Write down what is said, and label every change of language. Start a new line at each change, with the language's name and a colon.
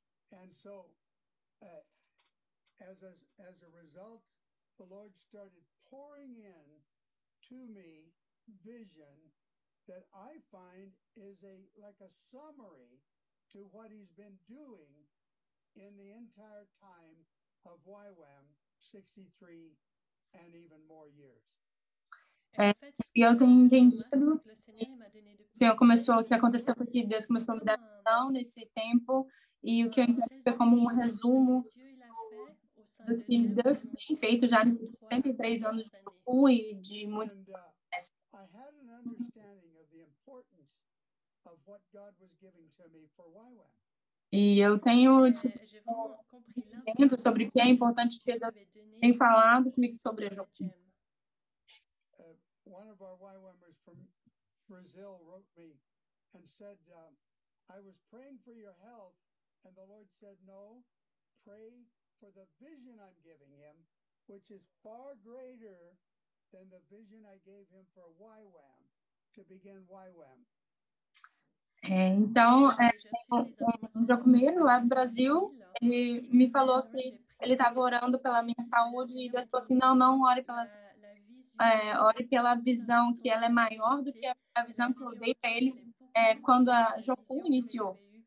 English: And so, as a result, the Lord started pouring in to me vision that I find is a like a summary to what he's been doing in the entire time of YWAM, 63 and even more years.
Portuguese: E eu tenho entendido, o Senhor começou, o que aconteceu aqui, Deus começou a me dar visão nesse tempo, e o que eu entendi foi como um resumo do que Deus tem feito já nesses 63 anos de Baku e de muito.
English: I had an understanding of the importance of what God was giving to me for YWAM.
Portuguese: E eu tenho entendido sobre o que é importante que Deus tem falado comigo sobre a Jovem.
English: One of our YWAMers from Brazil wrote me and said, I was praying for your health, and the Lord said, no, pray for the vision I'm giving him, which is far greater than the vision I gave him for YWAM, to begin YWAM.
Portuguese: Então, um jacumeiro lá do Brasil, ele me falou que ele estava orando pela minha saúde, e Deus falou assim, não ore pela saúde. Ore pela visão, que ela é maior do que a visão que eu dei para ele quando a Joku iniciou.